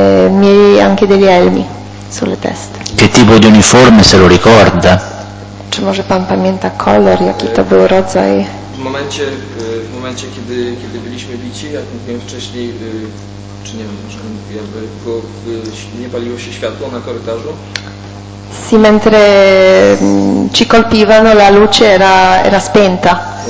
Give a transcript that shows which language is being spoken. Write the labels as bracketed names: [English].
[Italian] Mieli anche degli elmi sulle teste. Che tipo di uniforme, se lo ricorda? [Polish] Czy może pan pamięta kolor, jaki to był rodzaj? W momencie kiedy byliśmy bici, jak mówiłem wcześniej, czy nie wiem, może jakby nie paliło się światło na korytarzu? [Italian] Sì, mentre ci colpivano la luce era spenta.